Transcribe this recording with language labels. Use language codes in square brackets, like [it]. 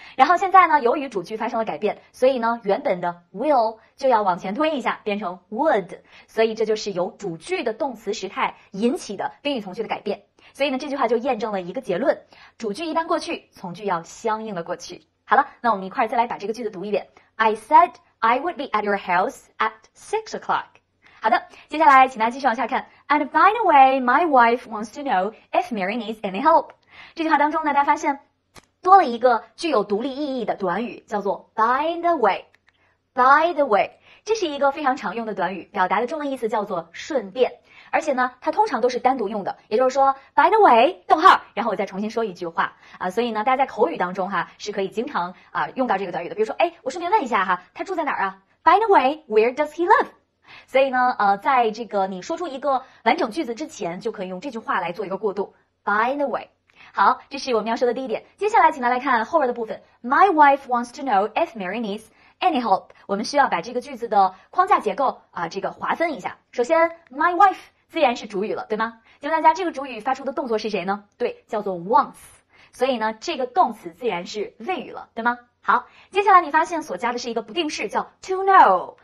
[zh] 然后现在呢，由于主句发生了改变，所以呢，原本的 will 就要往前推一下，变成 would，所以这就是由主句的动词时态引起的宾语从句的改变。所以呢，这句话就验证了一个结论：主句一般过去，从句要相应的过去。好了，那我们一块儿再来把这个句子读一遍： [en] I said I would be at your house at 6 o'clock。 [zh] 好的，接下来请大家继续往下看。 [en] And by the way, my wife wants to know if Mary needs any help。 [zh] 这句话当中呢，大家发现多了一个具有独立意义的短语，叫做 by the way。 By the way，这是一个非常常用的短语，表达的中文意思叫做顺便。而且呢，它通常都是单独用的，也就是说 by the way 逗号，然后我再重新说一句话啊。所以呢，大家在口语当中哈是可以经常用到这个短语的。比如说，哎，我顺便问一下哈，他住在哪儿啊？ [en] By the way, where does he live？ [zh] 所以呢，在这个你说出一个完整句子之前，就可以用这句话来做一个过渡。 By the way，好，这是我们要说的第一点。接下来，请大家来看后边的部分。 [en] My wife wants to know if Mary needs any help。 [zh] 我们需要把这个句子的框架结构这个划分一下。首先，my wife 自然是主语了，对吗？请问大家，这个主语发出的动作是谁呢？对，叫做 wants。所以呢，这个动词自然是 will 了，对吗？好，接下来你发现所加的是一个不定式，叫 to know。